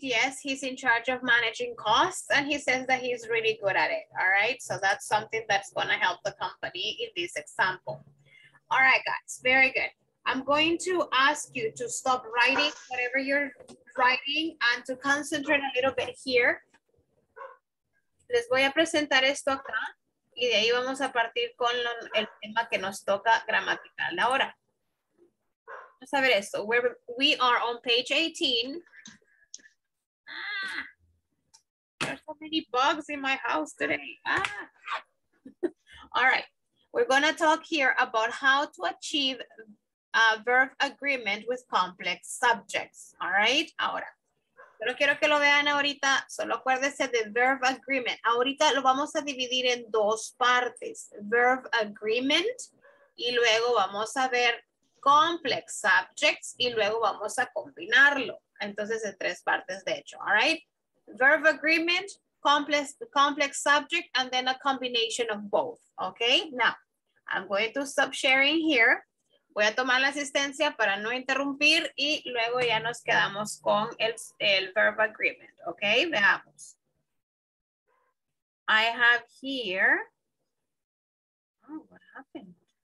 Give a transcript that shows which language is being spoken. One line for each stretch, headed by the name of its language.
English: Yes, he's in charge of managing costs and he says that he's really good at it. All right. So that's something that's going to help the company in this example. All right, guys. Very good. I'm going to ask you to stop writing whatever you're writing and to concentrate a little bit here.
Spanish: Les voy a presentar esto acá y de ahí vamos a partir con lo, el tema que nos toca gramatical ahora. Vamos a ver esto.
English: We are on page 18. Ah, there's so many bugs in my house today. Ah. All right. We're going to talk here about how to achieve a verb agreement with complex subjects. All right.
Spanish: Ahora. Pero quiero que lo vean ahorita, solo acuérdese de verb agreement. Ahorita lo vamos a dividir en dos partes, verb agreement, y luego vamos a ver complex subjects, y luego vamos a combinarlo. Entonces, en tres partes, de hecho,
English: all right? Verb agreement, complex subject, and then a combination of both, okay? Now, I'm going to stop sharing here.
Spanish: Voy a tomar la asistencia para no interrumpir y luego ya nos quedamos con el verb agreement, ¿ok? Veamos.
English: I have here. Oh, what happened?